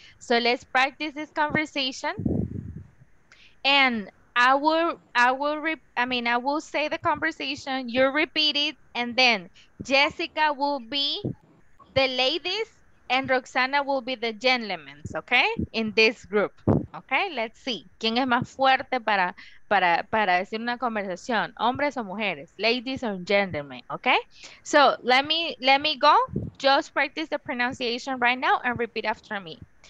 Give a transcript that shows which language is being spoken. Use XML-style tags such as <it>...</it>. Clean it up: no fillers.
<en>So let's practice this conversation. And I will say the conversation, you repeat it, and then Jessica will be the ladies and Roxana will be the gentlemen, okay? In this group, okay? Let's see.</en> <es>¿Quién es más fuerte para decir una conversación? ¿Hombres o mujeres?</es> <en>Ladies or gentlemen, okay? So let me go. Just practice the pronunciation right now and repeat after me.</en>